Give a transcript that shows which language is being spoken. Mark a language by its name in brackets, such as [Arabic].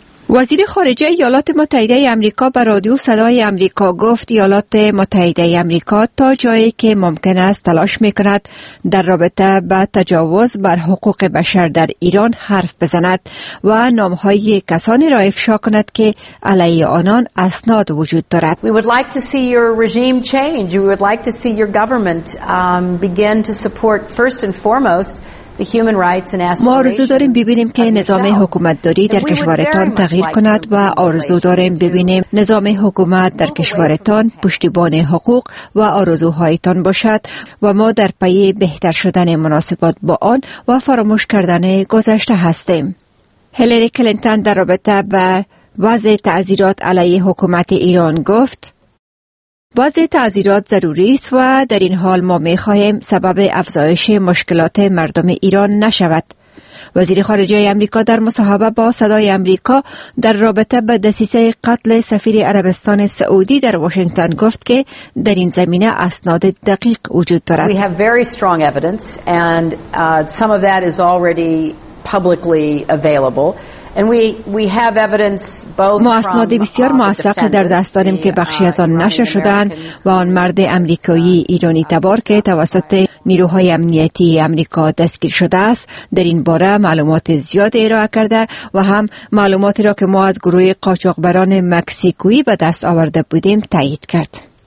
[Persian] وزیر خارجه ایالات متحده امریکا به رادیو صدای امریکا گفت ایالات متحده امریکا تا جایی که ممکن است تلاش میکند در رابطه با تجاوز بر حقوق بشر در ایران حرف بزند و نامهای کسانی را افشا کند که علیه آنان اسناد وجود دارد. [English] We would like to see your regime change. We would like to see your government begin to support first and foremost [Persian] ما آرزو داریم ببینیم که نظام حکومت داری در کشورتان تغییر کند و آرزو داریم ببینیم نظام حکومت در کشورتان پشتیبان حقوق و آرزوهایتان باشد و ما در پی بهتر شدن مناسبات با آن و فراموش کردن گذشته هستیم. هیلری کلینتون در رابطه با وضع تعزیرات علیه حکومت ایران گفت وضع تعذیرات ضروری است و در این حال ما می خواهیم سبب افزایش مشکلات مردم ایران نشود. وزیر خارجه امریکا در مصاحبه با صدای امریکا در رابطه به دسیسه قتل سفیر عربستان سعودی در واشنگتن گفت که در این زمینه اسناد دقیق وجود دارد. [English] We have very strong evidence and some of that is already publicly available. [Persian] ما اسناد بسیار موثق در دست داریم که بخشی از آن نشر شدند و آن مرد امریکایی ایرانی تبار که توسط نیروهای امنیتی امریکا دستگیر شده است در این باره معلومات زیاد ارائه کرده و هم معلوماتی را که ما از گروه قاچاقبران مکزیکویی به دست آورده بودیم تایید کرد.